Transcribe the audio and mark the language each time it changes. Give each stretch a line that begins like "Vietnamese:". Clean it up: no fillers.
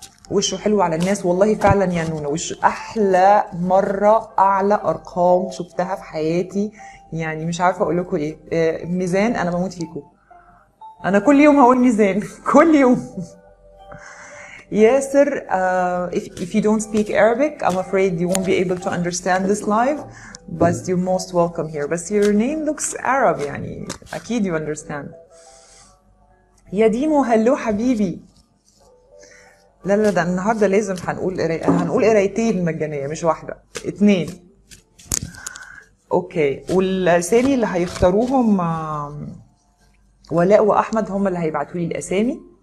Arabic: وشه حلو على الناس، والله فعلا يا نونا وش احلى مره، اعلى ارقام شفتها في حياتي، يعني مش عارفه اقول لكم ايه. ميزان انا بموت فيكم، انا كل يوم هقول ميزان كل يوم.
English: ياسر: if you don't speak Arabic I'm afraid you won't be able to understand this live, but you're most welcome here.
Arabic: بس
English: your name looks Arab
Arabic: يعني اكيد
English: you understand.
Arabic: يا ديمو هلو حبيبي. لا لا، ده النهارده لازم هنقول قرايتين مجانيه، مش واحده، اتنين. اوكي، والاسامي اللي هيختاروهم ولاء واحمد هم اللي هيبعتوا لي الاسامي.